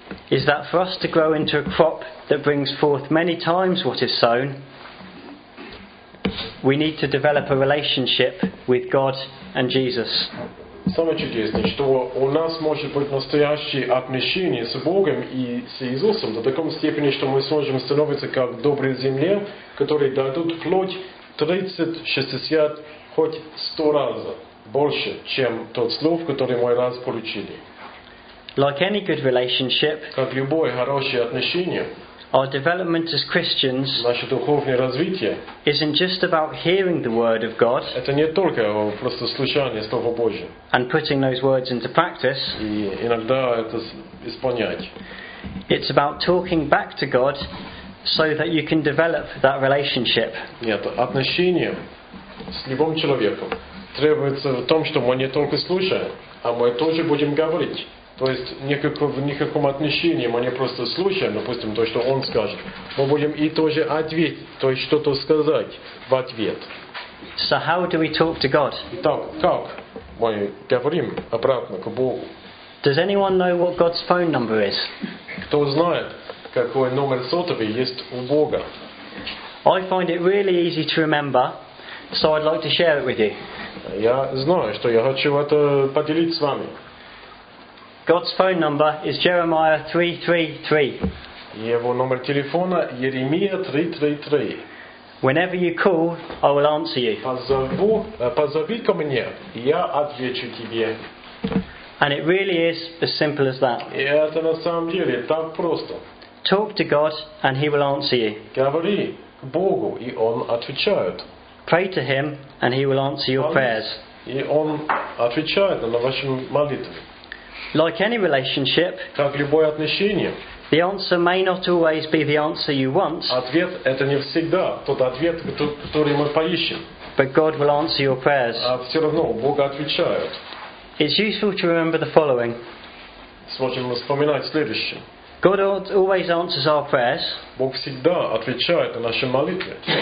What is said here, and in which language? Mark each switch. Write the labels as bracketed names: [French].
[English] is that for us to grow into a crop that brings forth many times what is sown, we need to develop a relationship with God and Jesus. [Russian] Самое чудесное, что у нас может быть настоящее отношение с Богом и с Иисусом до такой степени, что мы сможем становиться как добрые земли, которые дадут плоть 30, 60, хоть 100 раз больше, чем тот слов, который мы раз получили. [English] Like any good relationship, [Russian] как любое хорошее отношение, [English] our development as Christians, [Russian] наше духовное развитие, [English] isn't just about hearing the word of God, [Russian] это не только просто слушание Слова Божьего, [English] and putting those words into practice, [Russian] и иногда это исполнять. [English] It's about talking back to God, so that you can develop that relationship. [Russian] Нет, отношение с любым человеком требуется в том, что мы не только слушаем, а мы тоже будем говорить. То есть в никаком отношении мы не просто слушаем, допустим, то, что он скажет. Мы будем и тоже ответить, то есть что-то сказать в ответ. [English] So how do we talk to God? [Russian] Итак, как мы говорим обратно к Богу? [English] Does anyone know what God's phone number is? [Russian] Кто знает, какой номер сотовый есть у Бога? [English] I find it really easy to remember, so I'd like to share it with you. [Russian] Я знаю, что я хочу это поделить с вами. [English] God's phone number is Jeremiah 333. [Russian] Его номер телефона Иеремия 333. [English] Whenever you call, I will answer you. [Russian] Позови ко мне, я отвечу тебе. [English] And it really is as simple as that. [Russian] И это на самом деле так просто. [English] Talk to God and He will answer you. [Russian] Говори к Богу, и Он отвечает. [English] Pray to Him and He will answer your prayers. [Russian] И Он отвечает на ваши молитвы. [English] Like any relationship, [Russian] как любое отношение, [English] the answer may not always be the answer you want. [Russian] Ответ это не всегда тот ответ, который мы поищем. [English] But God will answer your prayers. [Russian] А все равно Бог отвечает. [English] It's useful to remember the following. [Russian] Сможем вспоминать следующее. [English] God always answers our prayers. [Russian] Бог всегда отвечает на наши молитвы.